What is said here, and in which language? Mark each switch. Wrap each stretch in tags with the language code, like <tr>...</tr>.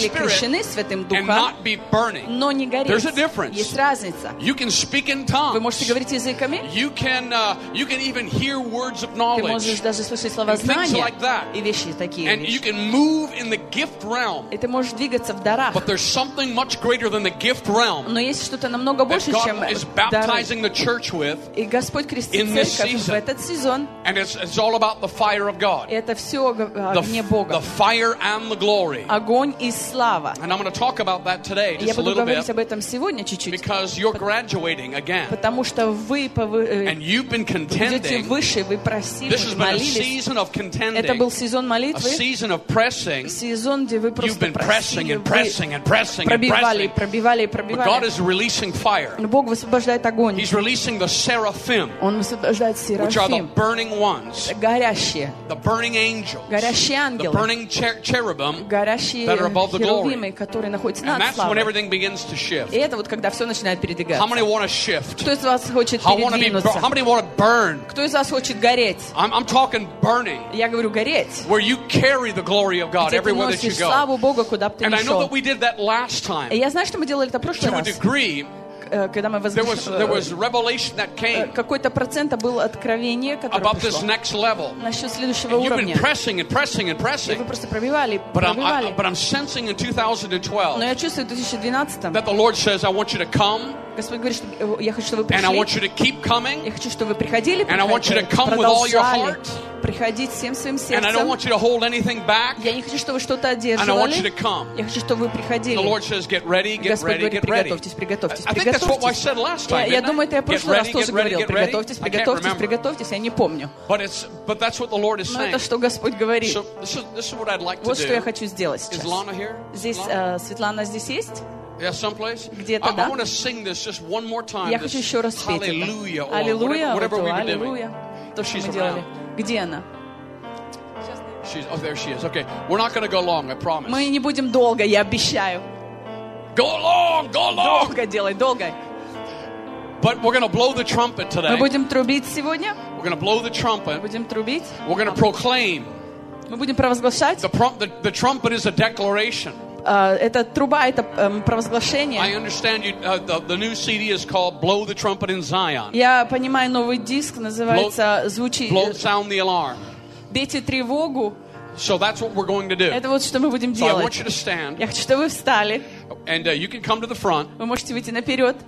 <ru>или крещены Святым Духом,</ru> <en>and not be burning.</en> <ru>Но не гореть.</ru> <en>There's a difference.</en> <ru>Есть разница.</ru> <en>You can speak in tongues.</en> <ru>Вы можете говорить языками.</ru> <en>You can even hear words of knowledge.</en> <ru>Ты можешь даже слышать слова знания.</ru> <en>Things like that.</en> <ru>И вещи такие.</ru> <en>And you can move in the gift realm.</en> <ru>И ты можешь двигаться в дарах.</ru> <en>But there's something much greater than the gift realm.</en> <ru>Но есть что-то намного больше, чем дары.</ru> <en>That God is baptizing the church with.</en> <ru>церковь. И Господь крестит церковь в этот сезон.</ru> <en>And it's all about the fire of God.</en> <ru>Это все огне Бога.</ru> <en>The fire and the glory.</en> <ru>Огонь и слава.</ru> <en>And I'm going to talk about that today, just a little bit.</en> <ru>Я буду говорить об этом сегодня чуть-чуть.</ru> <en>Because you're graduating again.</en> <ru>Потому что вы</ru> <en>And you've been contending.</en> <ru>Идете выше, вы просили,</ru> <en>This has been a season of contending.</en> <ru>Это был сезон молитвы.</ru> <en>A season of pressing.</en> <ru>Сезон, где вы просто</ru> <en>You've been pressing and pressing and pressing.</en> <ru>Пробивали, пробивали, пробивали.</ru> <en>But God is releasing fire.</en> <ru>Бог высвобождает огонь.</ru> <en>He's releasing the seraphim.</en> <ru>Он высвобождает серафим.</ru> <en>Which are the burning ones.</en> <ru>Горящие.</ru> <en>The burning angels.</en> <ru>Горящие ангелы.</ru> <en>The burning cherubim.</en> <ru>Горящие</ru> <en>that are above the glory.</en> <ru>Херувимы, которые находятся над славой.</ru> <en>And that's when everything begins to shift.</en> <ru>И это вот когда все начинает передвигаться.</ru> <en>How many want to shift?</en> <ru>Кто из вас хочет передвинуться?</ru> <en>How many want to burn?</en> <ru>Кто из вас хочет гореть?</ru> <en>I'm talking burning.</en> <ru>Я говорю гореть.</ru> <en>Where you carry the glory of God everywhere that you go.</en> <ru>Где ты носишь славу Бога, куда бы ты ни шел.</ru> <en>And I know that we did that last time.</en> <ru>Я знаю, что мы делали это в прошлый раз.</ru> <en>To a degree. There was revelation that came.</en> <ru>Какой-то процент был откровение, которое</ru> <en>About this next level.</en> <ru>Насчет следующего уровня.</ru> <en>You've been pressing and pressing and pressing.</en> <ru>Вы просто пробивали, пробивали.</ru> <en>But I'm sensing in 2012.</en> <ru>Но я чувствую в 2012.</ru> <en>That the Lord says, I want you to come.</en> <ru>Господь говорит, что я хочу, чтобы вы пришли.</ru> <en>And I want you to keep coming.</en> <ru>Я хочу, чтобы вы приходили.</ru> <en>And I want you to come with all your heart.</en> <ru>Приходить всем своим сердцем.</ru> <en>And I don't want you to hold anything back.</en> <ru>Я не хочу, чтобы вы что-то одерживали.</ru> <en>And I want you to come.</en> <ru>Я хочу, чтобы вы приходили.</ru> <en>The Lord says, get ready, get</en> <ru>Господь</ru> <en>ready,</en> <ru>говорит,</ru> <en>get ready.</en> <ru>Приготовьтесь, приготовьтесь, приготовьтесь.</ru> <en>I think that's what I said last time.</en> <ru>Я думаю, это я в прошлый</ru> <en>ready,</en> <ru>раз тоже</ru> <en>ready,</en> <ru>говорил. Приготовьтесь, приготовьтесь, приготовьтесь. Я не помню.</ru> <en>But that's what the Lord is saying.</en> <ru>Но это что Господь говорит.</ru> <en>So, this is what I'd like to</en> <ru>вот</ru> <en>do.</en> <ru>Что я хочу сделать сейчас.</ru> <en>Is Lana here?</en> <ru>Здесь Светлана здесь есть?</ru> <en>Yeah, someplace.</en> <ru>Где-то, да.</ru> <en>I want to sing this just one more time.</en> <ru>Я хочу еще раз спеть.</ru> <en>Hallelujah. Hallelujah. Whatever we were doing.</en> <ru>То, что мы делали. Где она?</ru> <en>She's. Oh, there she is. Okay, we're not going to go long. I promise.</en> <ru>Мы не будем долго. Я обещаю.</ru> <en>Go long. Go long.</en> <ru>Долго делай. Долго.</ru> <en>But we're going to blow the trumpet today.</en> <ru>Мы будем трубить сегодня.</ru> <en>We're going to blow the trumpet.</en> <ru>Будем трубить.</ru> <en>We're going to proclaim.</en> <ru>Мы будем провозглашать.</ru> <en>The trumpet is a declaration.</en> <ru>Это труба, это провозглашение.</ru> <en>I understand you, the new CD is called Blow the Trumpet in Zion.</en> <ru>Я понимаю, новый диск называется Звучи.</ru> <en>Blow sound the alarm.</en> <ru>Бейте тревогу.</ru> <en>So that's what we're going to do.</en> <ru>Это вот что мы будем делать.</ru> <en>So I want you to stand.</en> <ru>Я хочу, чтобы вы встали.</ru> <en>And you can come to the front.</en> <ru>Вы можете выйти наперед.</ru>